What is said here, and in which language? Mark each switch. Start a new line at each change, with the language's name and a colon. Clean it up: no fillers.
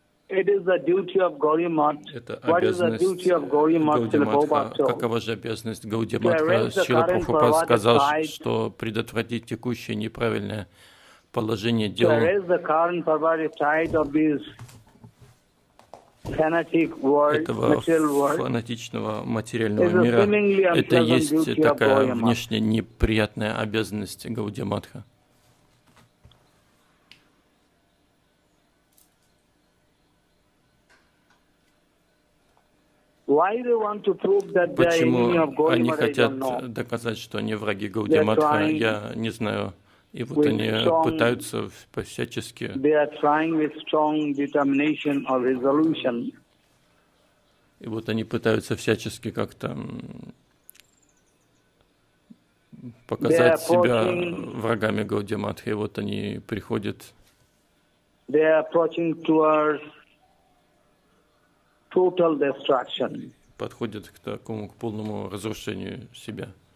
English: it is the duty of Gauri Math. What is the duty of Gauri Math? Gauri Matha.
Russian: Какова же обязанность Гауди Матха? Шрила Прабхупад сказал, что предотвратить текущее неправильное положение дел.
English: There is the current pervasive of this fanatic world,
Russian: этого фанатичного материального
English: is
Russian: мира. Это есть такая внешне неприятная обязанность Гауди Матха.
English: Why they want to prove that they are enemy of Gaudiya Matha?
Russian: Они хотят доказать, что они враги Гауди Матха? Я не знаю. И вот они пытаются по-всячески.
English: They are trying with strong determination or resolution.
Russian: И вот они пытаются всячески как-то показать себя врагами Гауди Матха. И вот они приходят.
English: They are approaching towards total destruction.
Russian: Подходит к такому, к полному разрушению себя.